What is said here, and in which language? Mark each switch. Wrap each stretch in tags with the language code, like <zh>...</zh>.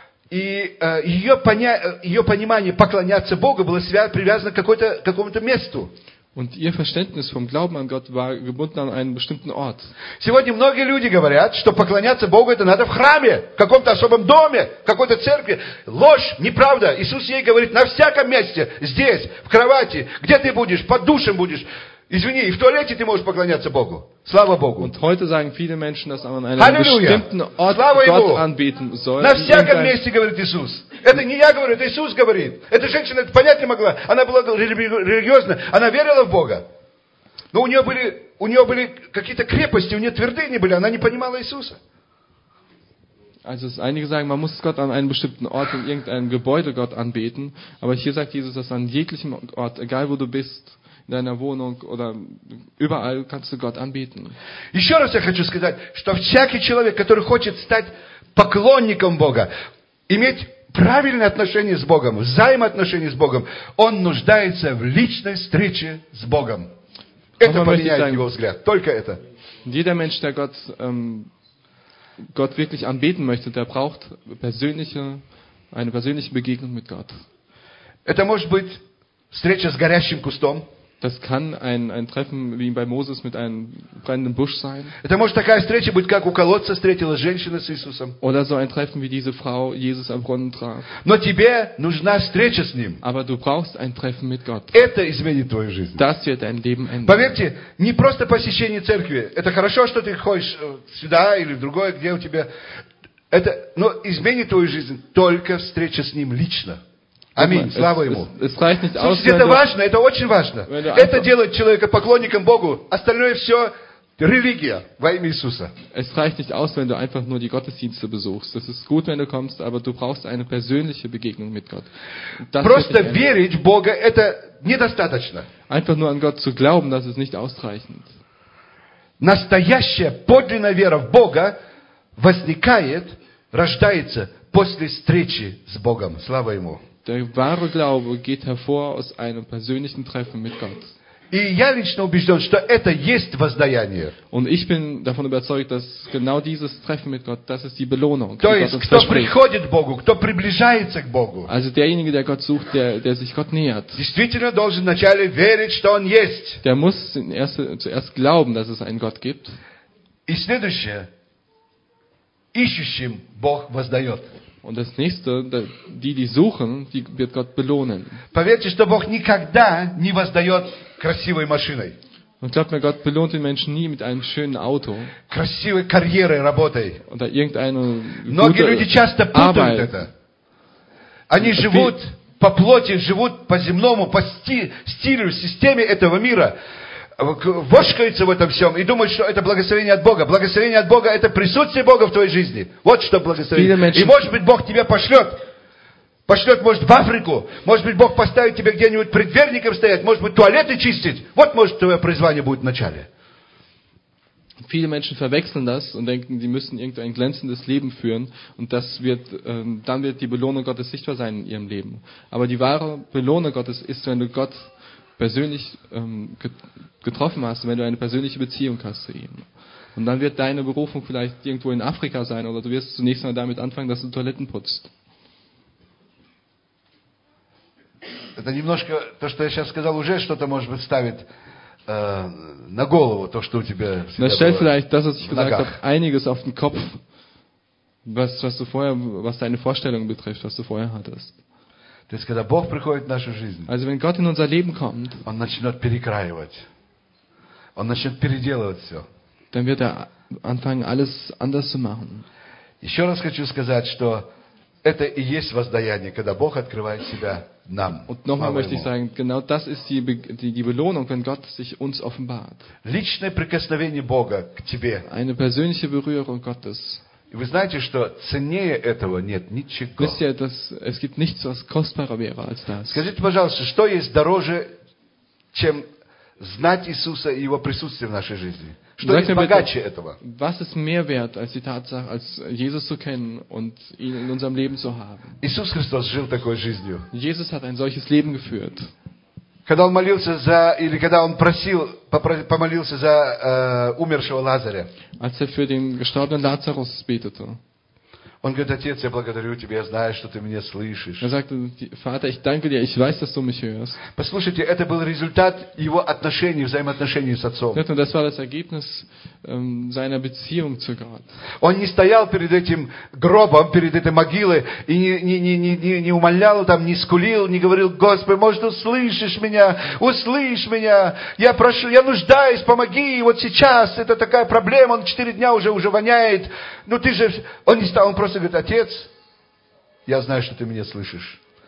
<ru>И ее понимание поклоняться Богу было привязано к какому-то месту.</ru> <de>Und ihr Verständnis vom Glauben an Gott war gebunden an einen bestimmten Ort.</de> <ru>Сегодня многие люди говорят, что поклоняться Богу это надо в храме, в каком-то особом доме, в какой-то церкви. Ложь, неправда. Иисус ей говорит, на всяком месте, здесь, в кровати, где ты будешь, под душем будешь. Извини, и в туалете ты можешь поклоняться Богу. Слава Богу.</ru> <de>Und heute sagen viele Menschen, dass man an einem bestimmten Ort Gott anbeten soll.</de> <ru>На всяком месте, говорит Иисус. Это не я говорю, это Иисус говорит. Эта женщина это понять не могла. Она была религиозна, она верила в Бога. Но у нее были какие-то крепости, у нее твердыни были, она не понимала Иисуса.</ru> <de>Also es einige sagen, man muss Gott an einem bestimmten Ort in irgendeinem Gebäude Gott anbeten, aber hier sagt Jesus, dass an jeglichem Ort, egal wo du bist, in deiner Wohnung oder überall kannst du Gott anbeten.</de> <ru>Еще раз я хочу сказать, что всякий человек, который хочет стать поклонником Бога, иметь правильное отношение с Богом, взаимоотношение с Богом, он нуждается в личной встрече с Богом. Это поменяет его взгляд. Только это.</ru> <de>Jeder Mensch, der Gott, Gott wirklich anbeten möchte, der braucht eine persönliche Begegnung mit Gott.</de> <ru>Это может быть встреча с горящим кустом.</ru> <de>Das kann ein Treffen wie bei Moses mit einem brennenden Busch sein.</de> <ru>Это может такая встреча быть, как у колодца встретилась женщина с Иисусом.</ru> <de>Oder so ein Treffen wie diese Frau Jesus am Brunnen traf.</de> <ru>Но тебе нужна встреча с ним.</ru> <de>Aber du brauchst ein Treffen mit Gott.</de> <ru>Это изменит твою жизнь.</ru> <de>Das wird dein Leben ändern.</de> <ru>Поверьте, не просто посещение церкви. Это хорошо, что ты ходишь сюда или в другое, где у тебя. Это, но изменит твою жизнь только встреча с ним лично. Аминь, слава Ему. Слушайте, это важно, это очень важно. Это делает человека поклонником Богу, остальное все религия во имя Иисуса.</ru> <de>Es reicht nicht aus, wenn du einfach nur die Gottesdienste besuchst. Das ist gut, wenn du kommst, aber du brauchst eine persönliche Begegnung mit Gott.</de> <ru>Просто верить в Бога, это недостаточно.</ru> <de>Einfach nur an Gott zu glauben, das ist nicht ausreichend.</de> <ru>Настоящая, подлинная вера в Бога возникает, рождается после встречи с Богом. Слава Ему.</ru> <de>Der wahre Glaube geht hervor aus einem persönlichen Treffen mit Gott.</de> <ru>И я лично убежден, что это есть воздаяние.</ru> <de>Und ich bin davon überzeugt, dass genau dieses Treffen mit Gott, das ist die Belohnung, die Gott uns verspricht.</de> <ru>То есть, кто приходит к Богу, кто приближается к Богу.</ru> <de>Also derjenige, der Gott sucht, der sich Gott nähert.</de> <ru>Действительно должен вначале верить, что Он есть.</ru> <de>Der muss zuerst glauben, dass es einen Gott gibt.</de> <ru>И следующее. Ищущим Бог воздает.</ru> <de>Und das nächste, die suchen, die wird Gott belohnen.</de> <ru>Поверьте, что Бог никогда не воздает красивой машиной.</ru> <de>Und glaubt mir, Gott belohnt den Menschen nie mit einem schönen Auto.</de> <ru>Красивой карьерой, работой.</ru> <de>Oder irgendeine gute Arbeit.</de> <ru>Многие люди часто путают это. Они живут по плоти, живут по земному, по стилю, системе этого мира. Вошкаются в этом всем и думают, что это благословение от Бога. Благословение от Бога – это присутствие Бога в твоей жизни. Вот что благословение. И может быть, Бог тебя пошлет, может, в Африку. Может быть, Бог поставит тебя где-нибудь предверником стоять. Может быть, туалеты чистить. Вот, может, твое призвание будет в начале.</ru> <de>Viele Menschen verwechseln das und denken, sie müssen irgendein glänzendes Leben führen und das wird, dann wird die Belohnung Gottes sichtbar sein in ihrem Leben. Aber die wahre Belohnung Gottes ist, wenn du Gott persönlich getroffen hast, wenn du eine persönliche Beziehung hast zu ihm. Und dann wird deine Berufung vielleicht irgendwo in Afrika sein oder du wirst zunächst mal damit anfangen, dass du Toiletten putzt.</de> <ru>Это немножко то, что я сейчас сказал, уже что-то может быть ставит на голову то, что у тебя.</ru> <de>Stell vielleicht das, was ich gesagt habe, einiges auf den Kopf, was du vorher, was deine Vorstellung betrifft, was du vorher hattest.</de> <ru>То есть, когда Бог приходит в нашу жизнь,</ru> <de>also, wenn Gott in unser Leben kommt,</de> <ru>Он начнет перекраивать. Он начнет переделывать все.</ru> <de>Dann wird anfangen, alles anders zu machen.</de> <ru>Еще раз хочу сказать, что это и есть воздаяние, когда Бог открывает себя нам.</ru> <de>Und nochmal möchte ich sagen, genau das ist die Belohnung, wenn Gott sich uns offenbart.</de> <ru>Личное прикосновение Бога к тебе.</ru> <de>Eine persönliche Berührung Gottes.</de> <ru>И вы знаете, что ценнее этого нет ничего.</ru> <de>Wisst ihr, dass es gibt nichts, was kostbarer wäre als das.</de> <ru>Скажите, пожалуйста, что есть дороже, чем знать Иисуса и Его присутствие в нашей жизни? Что есть богаче этого?</ru> <de>Was ist mehr wert als die Tatsache, als Jesus zu kennen und ihn in unserem Leben zu haben?</de> <ru>Иисус Христос жил такой жизнью.</ru> <de>Jesus hat ein solches Leben geführt.</de> <ru>Когда он молился за, или когда он просил, помолился за умершего Лазаря.</ru> <de>Als er für den gestorbenen Lazarus betete.</de> <ru>Он говорит, Отец, я благодарю тебя, я знаю, что ты меня слышишь.</ru> <de>Er sagte, Vater, ich danke dir, ich weiß, dass du mich hörst.</de> <ru>Послушайте, это был результат его отношений, взаимоотношений с Отцом.</ru> <de>Und das war das Ergebnis seiner Beziehung zu Gott.</de> <ru>Он не стоял перед этим гробом, перед этой могилой и не умолял там, не скулил, не говорил, Господи, может, услышишь меня, услышь меня, я прошу, я нуждаюсь, помоги, вот сейчас это такая проблема, он 4 дня уже воняет, ну ты же, он не стал. Он просто говорит, Отец, я знаю, что ты меня слышишь.</ru>